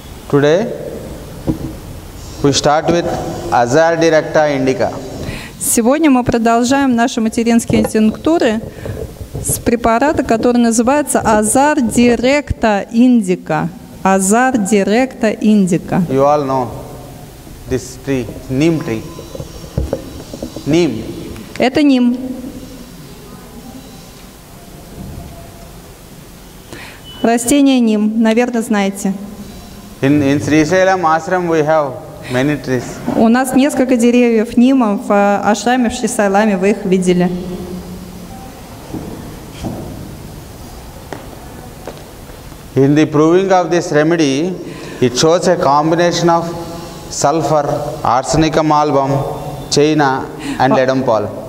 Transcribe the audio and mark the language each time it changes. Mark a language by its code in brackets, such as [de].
[en] Today we start with Azar Directa Indica. [ru] Сегодня мы продолжаем наши материнские тинктуры с препарата, который называется Azar Directa Indica. [en] Azar Directa Indica. You all know this tree, neem tree. Neem. [ru] Это ним. Растение ним, наверное, знаете. [en] In Srisailam ashram we have many trees. [ru] У нас несколько деревьев нима в ашраме, в Шрисайламе, вы их видели. [en] In the proving of this remedy, it shows a combination of sulfur, arsenic album, china and lead pole.